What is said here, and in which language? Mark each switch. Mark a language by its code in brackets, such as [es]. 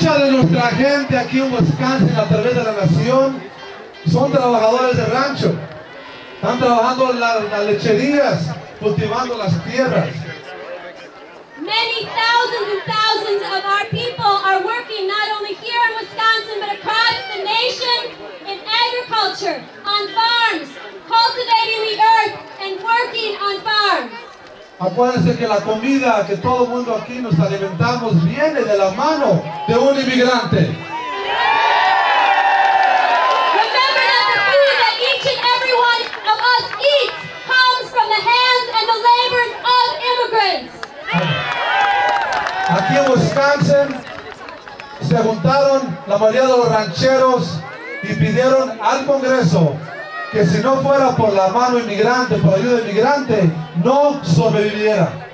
[es] nuestra gente aquí en Wisconsin a través de la nación son trabajadores de rancho. Están trabajando en las lecherías, cultivando las tierras. [en] Many thousands and thousands of our people are working not only here in Wisconsin but across the nation in agriculture, on farms, cultivating the earth and working on farms. [es] Acuérdense que la comida que todo el mundo aquí nos alimentamos viene de la mano de un inmigrante. [en] Remember that the food that each and every one of us eats comes from the hands and the labors of immigrants. [es] Aquí en Wisconsin se juntaron la mayoría de los rancheros y pidieron al Congreso que si no fuera por la mano inmigrante, por la ayuda inmigrante, no sobreviviera.